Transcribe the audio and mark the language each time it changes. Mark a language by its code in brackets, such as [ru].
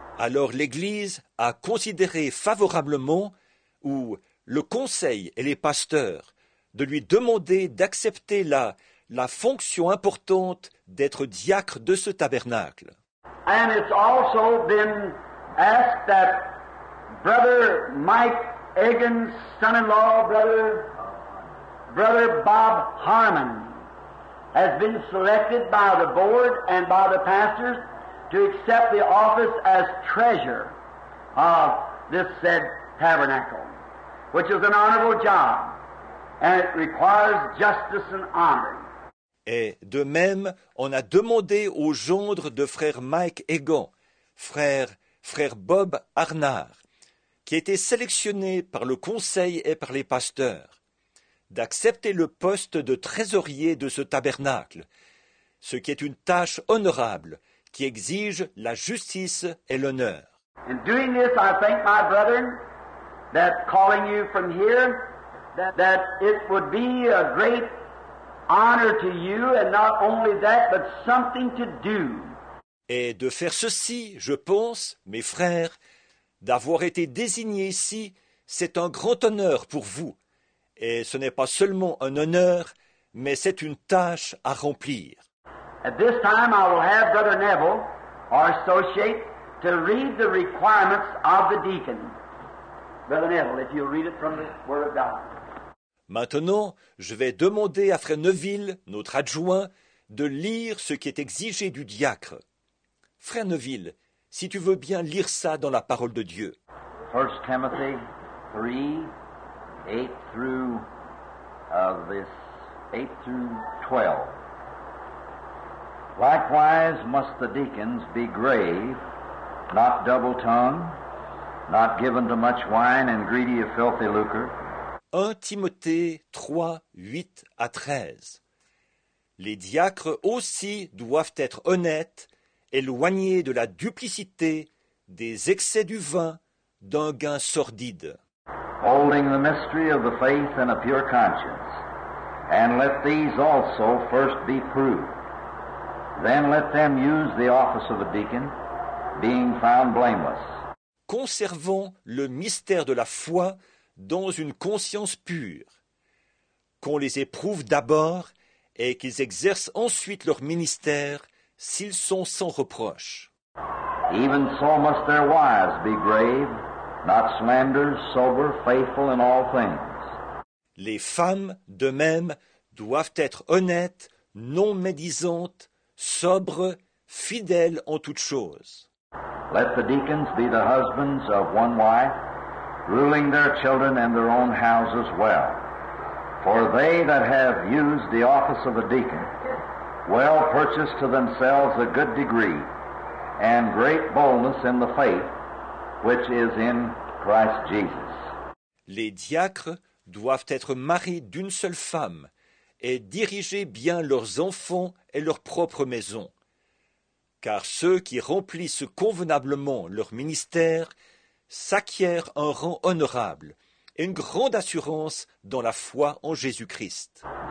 [fr] Alors l'Église a considéré favorablement, ou le conseil et les pasteurs, de lui demander d'accepter la fonction importante d'être diacre de ce tabernacle. [en] And it's also been asked that Brother Mike Egan's son-in-law, Brother Bob Harmon has been selected by the board and by the pastors to accept the office as treasurer of this said tabernacle, which is an honorable job, and it requires justice and honor. [fr] Et de même, on a demandé au gendre de frère Mike Egan, frère Bob Arnard, qui a été sélectionné par le conseil et par les pasteurs, d'accepter le poste de trésorier de ce tabernacle, ce qui est une tâche honorable qui exige la justice et l'honneur. [en] In doing this, I thank my brethren that calling you from here, that it would be a great honor to you, and not only that, but something to do. [fr] Et de faire ceci, je pense, mes frères, d'avoir été désignés ici, c'est un grand honneur pour vous. Et ce n'est pas seulement un honneur, mais c'est une tâche à remplir. [en] At this time, I will have Brother Neville, our associate, to read the requirements of the deacon. Brother Neville, if you'll read it from the Word of God. [fr] Maintenant, je vais demander à Frère Neville, notre adjoint, de lire ce qui est exigé du diacre. Frère Neville, si tu veux bien lire ça dans la parole de Dieu. [en] 1 Timothy 3, 8 through, this 8 through 12. Likewise must the deacons be grave, not double-tongued, not given to much wine and greedy of filthy lucre. [fr] 1 Timothée 3, 8 à 13. Les diacres aussi doivent être honnêtes, éloignés de la duplicité, des excès du vin, d'un gain sordide. [en] Holding the mystery of the faith in a pure conscience, and let these also first be proved. Then let them use the office of a deacon, being found blameless. [fr] Conservant le mystère de la foi dans une conscience pure, qu'on les éprouve d'abord et qu'ils exercent ensuite leur ministère s'ils sont sans reproche. [en] Even so must their wives be grave, not slanderers, sober, faithful in all things. [fr] Les femmes, de même, doivent être honnêtes, non médisantes, sobres, fidèles en toutes choses. [en] Let the deacons be the husbands of one wife, ruling their children and their own houses well. For they that have used the office of a deacon well purchase to themselves a good degree and great boldness in the faith which is in Christ Jesus. [fr] Les diacres doivent être mariés d'une seule femme et diriger bien leurs enfants et leur propre maison. Car ceux qui remplissent convenablement leur ministère s'acquiert un rang honorable et une grande assurance dans la foi en Jésus-Christ.